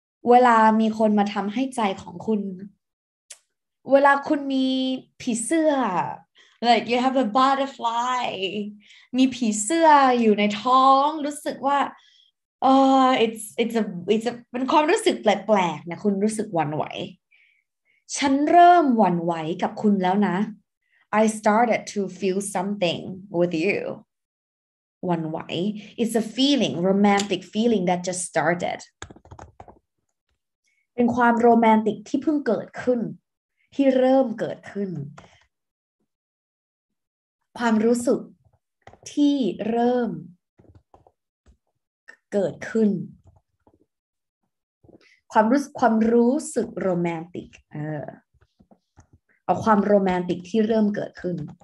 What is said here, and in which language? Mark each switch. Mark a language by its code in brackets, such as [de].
[th] เวลามีคนมาทำให้ใจของคุณเวลาคุณมีผีเสื้อ [en] Like you have a butterfly, [th] มีผีเสื้ออยู่ในท้องรู้สึกว่า [en] it's a [th] เป็นความรู้สึกแปลกๆนะคุณรู้สึกหวั่นไหวฉันเริ่มหวั่นไหวกับคุณแล้วนะ [en] I started to feel something with you. หวั่นไหว it's a feeling, romantic feeling that just started. [th] เป็นความโรแมนติกที่เพิ่งเกิดขึ้นที่เริ่มเกิดขึ้นความรู้สึกที่เริ่มเกิดขึ้นความรู้สึกโรแมนติกเอาความโรแมนติกที่เริ่มเกิดขึ้น